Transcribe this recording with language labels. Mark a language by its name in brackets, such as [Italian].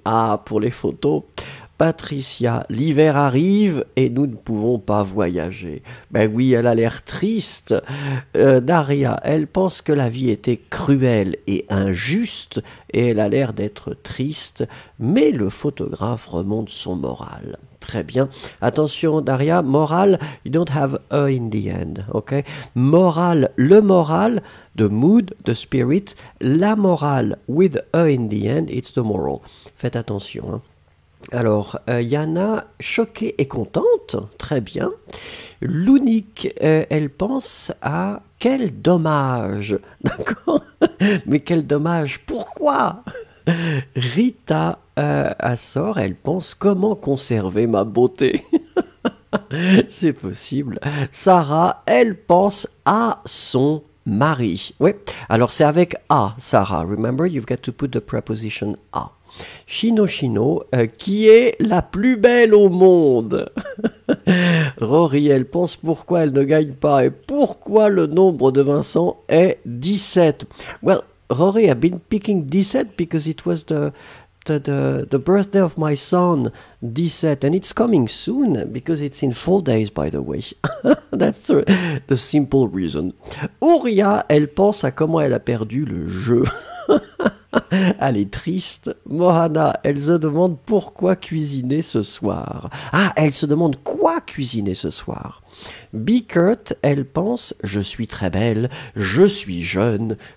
[French] Ah, pour les photos. Patricia, l'hiver arrive et nous ne pouvons pas voyager. Ben oui, elle a l'air triste. Daria, elle pense que la vie était cruelle et injuste et elle a l'air d'être triste, mais le photographe remonte son moral. Très bien. [English] Attention, Daria, moral, you don't have a in the end, ok? Moral, le moral, the mood, the spirit, la morale, with a in the end, it's the moral. [French] Faites attention, hein. Alors, Yana, choquée et contente, très bien. Lunik, elle pense à quel dommage, d'accord? Mais quel dommage, pourquoi? Rita, Assor, elle pense comment conserver ma beauté? C'est possible. Sarah, elle pense à son mari. Oui, alors c'est avec A, Sarah. [English] Remember, you've got to put the preposition A. [French] Shinoshino, qui est la plus belle au monde? Rory, elle pense pourquoi elle ne gagne pas et pourquoi le nombre de Vincent est 17. [English] Well, Rory, I've been picking 17 because it was the birthday of my son, 17, and it's coming soon because it's in 4 days, by the way. That's the simple reason. [French] Uria, elle pense à comment elle a perdu le jeu. Elle est triste. Mohana, elle se demande pourquoi cuisiner ce soir. Ah, elle se demande quoi cuisiner ce soir. Bickert, elle pense, je suis très belle, je suis jeune,